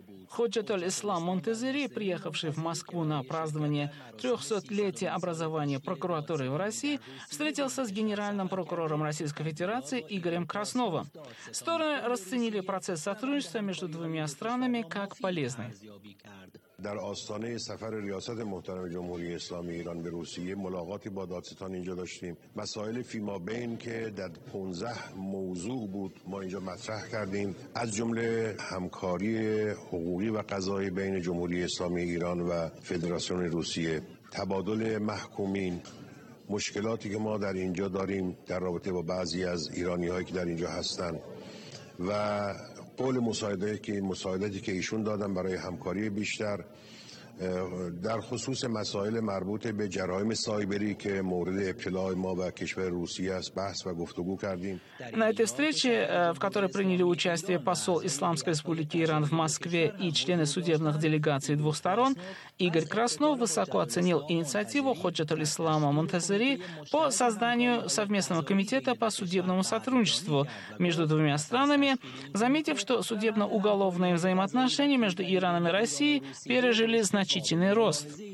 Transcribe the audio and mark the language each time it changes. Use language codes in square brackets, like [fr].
[ru] Ходжатуль Ислам Монтазери, приехавший в Москву на празднование 300-летия образования прокуратуры в России, встретился с генеральным прокурором Российской Федерации Игорем Красновым. Стороны расценили процесс сотрудничества между двумя странами как полезный. [fa] در آستانه سفر ریاست محترم جمهوری اسلامی ایران به روسیه ملاقاتی با دادستان اینجا داشتیم مسائل فیما بین که در 15 موضوع بود ما اینجا مطرح کردیم از جمله همکاری حقوقی و قضایی بین جمهوری اسلامی ایران و فدراسیون روسیه تبادل محکومین مشکلاتی که ما در اینجا داریم در رابطه با بعضی از ایرانی هایی که در اینجا هستند و قول مساعده که مساعدتی که ایشون دادن برای همکاری بیشتر در خصوص مسائل مربوط به جرائم سایبری که مورد ابتلاء ما و کشور روسیه است بحث و گفتگو کردیم. [ru] На этой встрече, в которой приняли участие посол Исламской Республики Иран в Москве и члены судебных делегаций двух сторон, Игорь Краснов высоко оценил инициативу Ходжатуль-Ислама Монтазери по созданию совместного комитета по судебному сотрудничеству между двумя странами, заметив, что судебно-уголовные взаимоотношения между Ираном и Россией пережили значительный рост.